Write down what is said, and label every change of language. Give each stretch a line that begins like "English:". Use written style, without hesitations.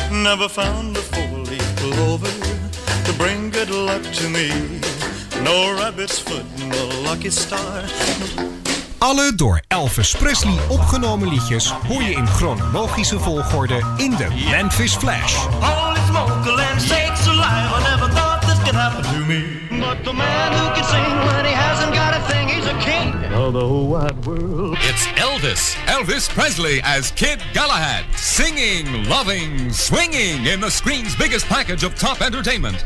English: Never found a four-leaf clover to bring good luck to me. No rabbit's foot, no lucky star.
Dutch: Alle door Elvis Presley opgenomen liedjes hoor je in chronologische volgorde in de Memphis Flash.
English: Holy smoke, land sakes alive, I never thought this could happen to me. But the man who can sing when he hasn't got a thing, he's a king of the wide world. It's Elvis. Elvis Presley as Kid Galahad. Singing, loving, swinging in the screen's biggest package of top entertainment.